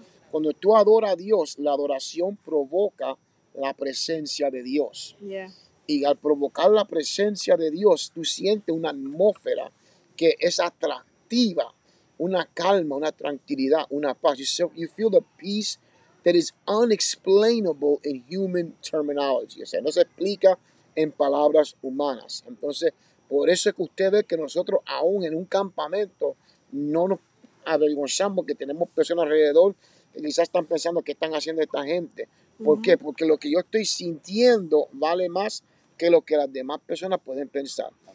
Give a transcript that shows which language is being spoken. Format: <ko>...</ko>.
<es>Cuando tú adoras a Dios, la adoración provoca la presencia de Dios.</es> <en>Yeah.</en> <es>Y al provocar la presencia de Dios, tú sientes una atmósfera que es atractiva, una calma, una tranquilidad, una paz.</es> <en>You feel the peace that is unexplainable in human terminology.</en> <es>O sea, no se explica en palabras humanas. Entonces, por eso es que usted ve que nosotros aún en un campamento no nos avergonzamos, que tenemos personas alrededor que quizás están pensando qué están haciendo esta gente. ¿Por qué? Porque lo que yo estoy sintiendo vale más que lo que las demás personas pueden pensar.</es>